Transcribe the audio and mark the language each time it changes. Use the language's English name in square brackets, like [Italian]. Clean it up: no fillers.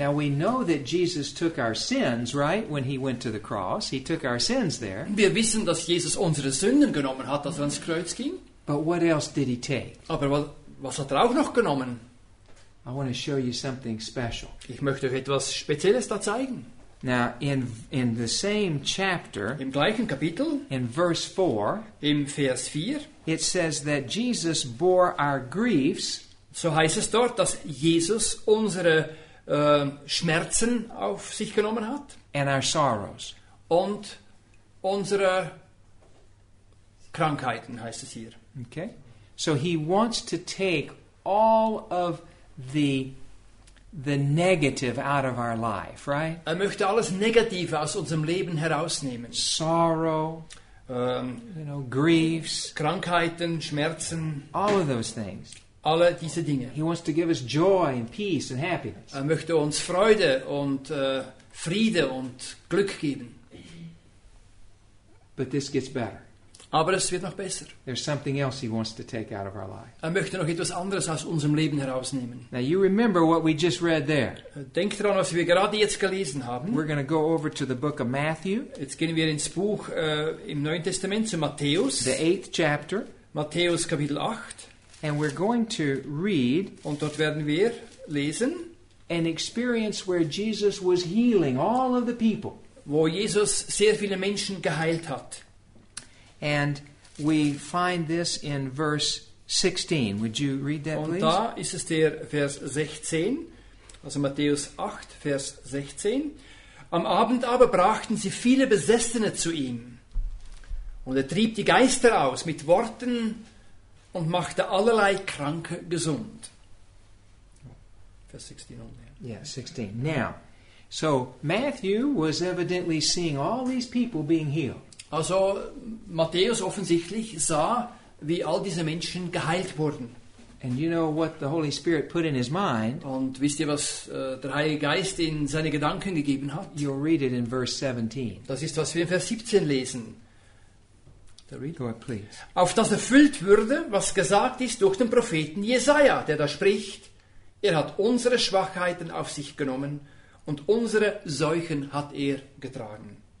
[English] Now we know that Jesus took our sins, right, when he went to the cross. He took our sins there. [German] Wir wissen, dass Jesus unsere Sünden genommen hat, als er ans Kreuz ging. [English] But what else did he take? [German] Aber was hat er auch noch genommen? [English] I want to show you something special. [German] Ich möchte euch etwas Spezielles da zeigen. [English] Now in the same chapter, [German] im gleichen Kapitel, [English] in verse 4, [German] im Vers 4, [English] it says that Jesus bore our griefs. [German] So heißt es dort, dass Jesus unsere Schmerzen auf sich genommen hat. [English] And our sorrows. [German] Und unsere Krankheiten heißt es hier. [English] Okay. So he wants to take all of the negative out of our life, right? [German] Er möchte alles Negative aus unserem Leben herausnehmen. [English] Sorrow, you know, griefs, [German] Krankheiten, Schmerzen, [English] all of those things. [German] Alle diese Dinge. [English] He wants to give us joy and peace and happiness. [German] Er möchte uns Freude und Friede und Glück geben. [English] But this gets better. [German] Aber es wird noch besser. [English] There's something else he wants to take out of our life. [German] Er möchte noch etwas anderes aus unserem Leben herausnehmen. [English] Now you remember what we just read there. [German] Denkt daran, was wir gerade jetzt gelesen haben. [English] We're going to go over to the book of Matthew. [German] Jetzt gehen wir ins Buch im Neuen Testament zu Matthäus. [English] The 8th chapter. [German] Matthäus Kapitel 8. [English] And we're going to read. [German] Und dort werden wir lesen. [English] An experience where Jesus was healing all of the people. [German] Wo Jesus sehr viele Menschen geheilt hat. [English] And we find this in verse 16. Would you read that, please? [German] Und da ist es der Vers 16, also Matthäus 8, Vers 16. Am Abend aber brachten sie viele Besessene zu ihm. Und er trieb die Geister aus mit Worten und machte allerlei Kranke gesund. [English] Vers 16 only. Yeah, 16. Now, so Matthew was evidently seeing all these people being healed. [German] Also Matthäus offensichtlich sah, wie all diese Menschen geheilt wurden. [English] And you know what the Holy Spirit put in his mind? [German] Und wisst ihr, was der Heilige Geist in seine Gedanken gegeben hat? [English] You'll read it in verse 17. [German] Das ist, was wir in Vers 17 lesen. [English] Go ahead, please. [German] Auf das erfüllt würde, was gesagt ist durch den Propheten Jesaja, der da spricht: Er hat unsere Schwachheiten auf sich genommen und unsere Seuchen hat er getragen.